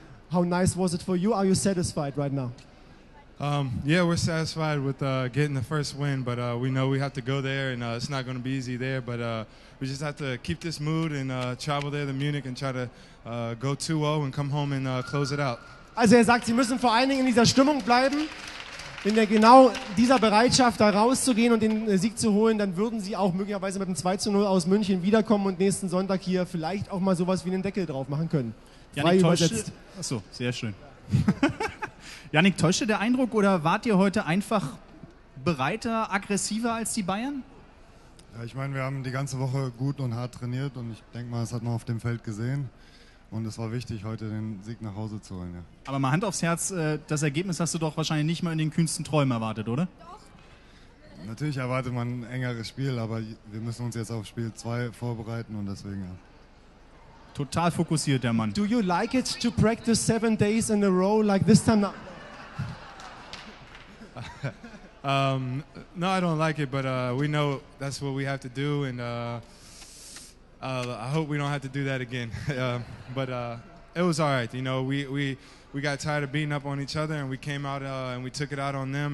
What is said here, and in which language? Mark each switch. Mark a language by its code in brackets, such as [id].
[en] How nice was it for you? Are you satisfied right now? Yeah, we're satisfied with getting the first win, but we know we have to go there, and it's not going to be easy there, but we just have to keep this mood and travel there to Munich and try to go 2-0 and come home and close it out. [de] Also sagt, Sie müssen vor allen Dingen in dieser Stimmung bleiben. In der genau dieser Bereitschaft, da rauszugehen und den Sieg zu holen, dann würden Sie auch möglicherweise mit dem 2-0 aus München wiederkommen und nächsten Sonntag hier vielleicht auch mal sowas wie einen Deckel drauf machen können. Frei übersetzt. Achso, sehr schön. Yannick, täuschte der Eindruck oder wart ihr heute einfach bereiter, aggressiver als die Bayern? Ja, ich meine, wir haben die ganze Woche gut und hart trainiert und ich denke mal, das hat man auf dem Feld gesehen. Und es war wichtig, heute den Sieg nach Hause zu holen. Ja. Aber mal Hand aufs Herz, das Ergebnis hast du doch wahrscheinlich nicht mal in den kühnsten Träumen erwartet, oder? Natürlich erwartet man ein engeres Spiel, aber wir müssen uns jetzt auf Spiel 2 vorbereiten und deswegen ja. Total fokussiert, der Mann. [en] Do you like it to practice 7 days in a row like this time now? No, I don't like it, but we know that's what we have to do and... I hope we don't have to do that again, but it was all right. You know, we got tired of beating up on each other, and we came out and we took it out on them.